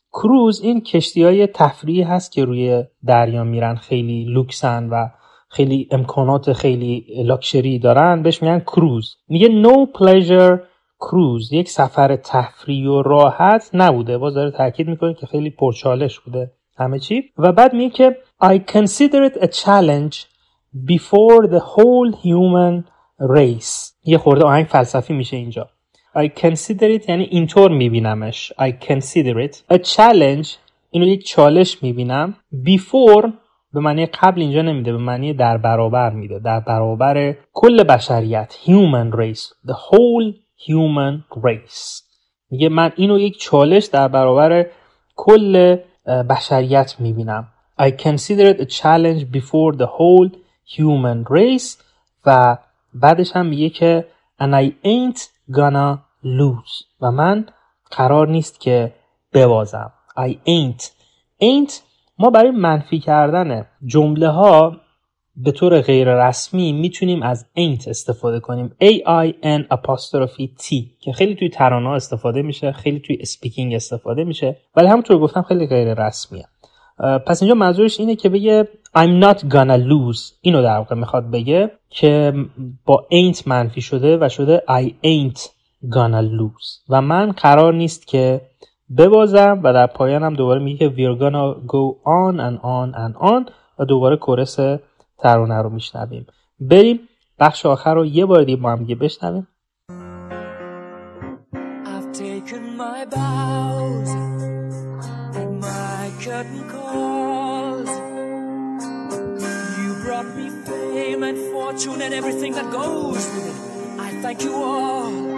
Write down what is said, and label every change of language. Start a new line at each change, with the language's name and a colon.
Persian: cruise این کشتی‌های تفریحی هست که روی دریا میرن، خیلی لوکسن و خیلی امکانات خیلی لاکچری دارن، بهش میگن cruise. میگه
English: no pleasure cruise،
Persian: یک سفر تفریحی و راحت نبوده. باز داره تاکید میکنه که خیلی پرچالش بوده همه چی. و بعد میگه که
English: I consider it a challenge before the whole human race.
Persian: یه خورده آهنگ فلسفی میشه اینجا.
English: I consider it
Persian: یعنی اینطور میبینمش.
English: I consider it a challenge،
Persian: اینو یک چالش میبینم. Before به معنی قبل اینجا نمیده، به معنی در برابر میده، در برابر کل بشریت، human race،
English: the whole human race.
Persian: میگه من اینو یک چالش در برابر کل بشریت میبینم.
English: I consider it a challenge before the whole human race.
Persian: و بعدش هم میگه که
English: and I ain't gonna lose،
Persian: و من قرار نیست که ببازم.
English: I ain't.
Persian: ain't ما برای منفی کردن جمله ها به طور غیر رسمی میتونیم از ain't استفاده کنیم. A-I-N apostrophe T که خیلی توی ترانه استفاده میشه، خیلی توی speaking استفاده میشه، ولی همونطور گفتم خیلی غیر رسمیه. پس اینجا منظورش اینه که بگه
English: I'm not gonna lose،
Persian: اینو در واقع میخواد بگه که با ain't منفی شده و شده
English: I ain't gonna lose،
Persian: و من قرار نیست که ببازم. و در پایان هم دوباره میگه
English: we're gonna go on and on
Persian: and on، و دوباره کورس ترانه رو میشنویم. بریم بخش آخر رو یه بار دیگه با هم دیگه بشنویم.
English: I've taken my bows and my curtain calls. You brought me fame and fortune and everything that goes with it. I thank you all.